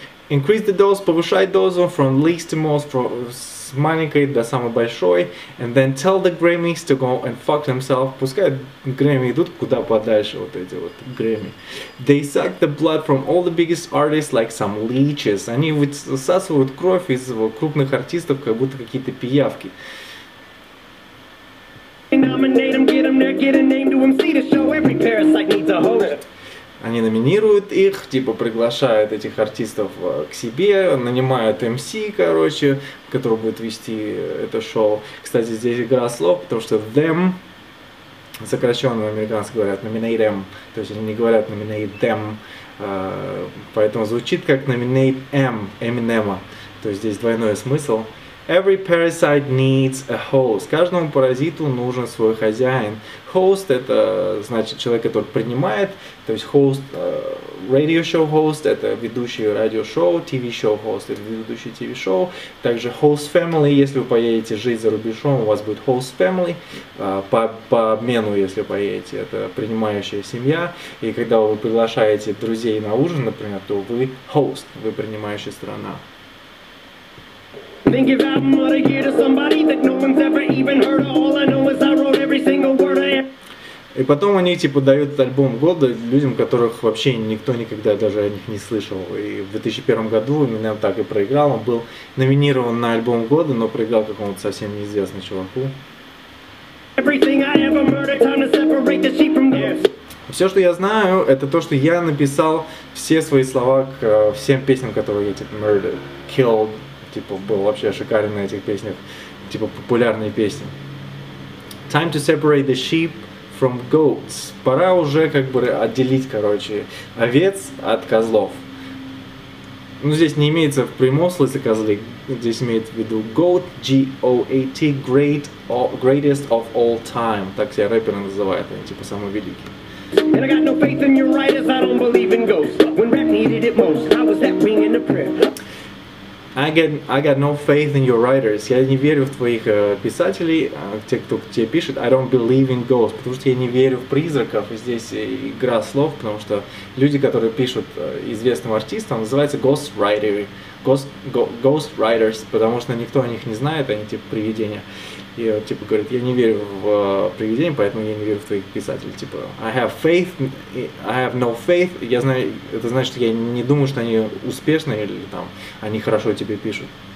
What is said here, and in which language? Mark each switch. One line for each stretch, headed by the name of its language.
English: Increase the dose,
Russian: повышай дозу
English: from least to most, from
Russian: с маленькой до самой большой,
English: and then tell the Grammys to go and fuck themselves.
Russian: Пускай Грэмми идут куда подальше, вот эти вот Грэмми.
English: They suck the blood from all the biggest artists like some leeches.
Russian: Они высасывают кровь из крупных артистов, как будто какие-то пиявки. Они номинируют их, типа приглашают этих артистов к себе, нанимают MC, короче, который будет вести это шоу. Кстати, здесь игра слов, потому что them, сокращенно американцы говорят
English: nominate them,
Russian: то есть они не говорят nominate them, поэтому звучит как
English: nominate M,
Russian: Eminem, то есть здесь двойной смысл.
English: Every parasite needs a host.
Russian: Каждому паразиту нужен свой хозяин. Host — это значит человек, который принимает. То есть host,
English: radio show host
Russian: — это ведущий радиошоу,
English: TV show host
Russian: — это ведущий TV show. Также
English: host family
Russian: — если вы поедете жить за рубежом, у вас будет host family. По обмену, если поедете, это принимающая семья. И когда вы приглашаете друзей на ужин, например, то вы host, вы принимающая сторона.
English: Then give out more to hear to somebody that no one's ever even heard of. All I know is I wrote every single word I am.
Russian: И потом они типа дают альбом года людям, которых вообще никто никогда даже о них не слышал. И в 2001 году Eminem так и проиграл. Он был номинирован на альбом года, но проиграл какому-то совсем неизвестному чуваку.
English: Everything I ever murdered, time to separate the sheep from the wolves.
Russian: Все, что я знаю, это то, что я написал все свои слова к всем песням, которые я типа
English: murdered, killed.
Russian: Типа, был вообще шикарен на этих песнях. Типа, популярные песни.
English: Time to separate the sheep from goats.
Russian: Пора уже, как бы, отделить, короче, овец от козлов. Ну, здесь не имеется в прямом смысле козлы. Здесь имеет в виду goat, G-O-A-T, great,
English: greatest of all time.
Russian: Так себя рэперы называют, они, типа, самые великие.
English: And I got no faith in your writers, I don't believe in ghosts. When rap needed it most, I was that wing in the prayer. I got no faith in your writers.
Russian: Я не верю в твоих писателей, тех, кто тебе пишет.
English: I don't believe in ghosts.
Russian: Потому что я не верю в призраков. И здесь игра слов, потому что люди, которые пишут известным артистам, называются ghostwriters. Ghostwriters, потому что никто о них не знает, они типа привидения. И типа говорит, я не верю в привидения, поэтому я не верю в твоих писателей. Типа,
English: I have no faith.
Russian: Я знаю, это значит, я не думаю, что они успешны или там они хорошо тебе пишут.